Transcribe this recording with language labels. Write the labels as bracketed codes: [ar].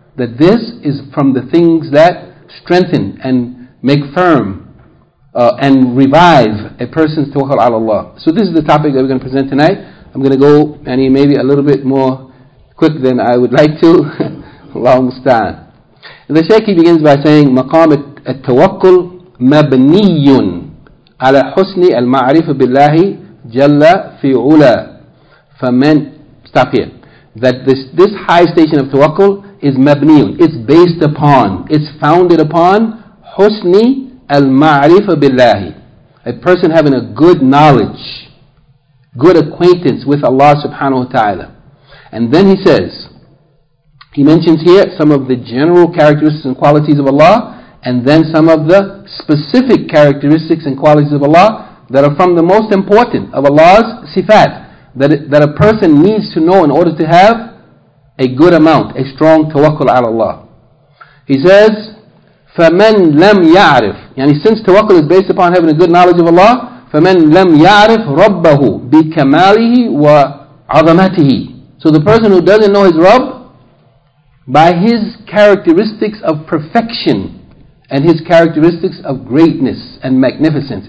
[en] That this is from the things that strengthen and make firm and revive a person's tawakkul ala Allah. So this is the topic that we're going to present tonight. I'm going to go maybe a little bit more quick than I would like to. Allahu musta'an. The Shaykh begins by saying, [ar] مَقَامِ التَّوَكُّلْ مَبْنِيٌّ عَلَى حُسْنِ الْمَعْرِفِ بِاللَّهِ جَلَّ فِي عُلَى فَمَنْ. [en] Stop here. That this high station of tawakkul is mabniyun. It's based upon, it's founded upon husni al-ma'rifa billahi. A person having a good knowledge, good acquaintance with Allah subhanahu wa ta'ala. And then he says, he mentions here some of the general characteristics and qualities of Allah, and then some of the specific characteristics and qualities of Allah that are from the most important of Allah's sifat. That a person needs to know in order to have a good amount, a strong tawakkul ala Allah. He says, [ar] فَمَنْ لَمْ يَعْرِفْ. [en] Yani since tawakkul is based upon having a good knowledge of Allah, [ar] فَمَنْ لَمْ يَعْرِفْ رَبَّهُ بِكَمَالِهِ وَعَظَمَتِهِ. [en] So the person who doesn't know his Rabb, by his characteristics of perfection, and his characteristics of greatness and magnificence.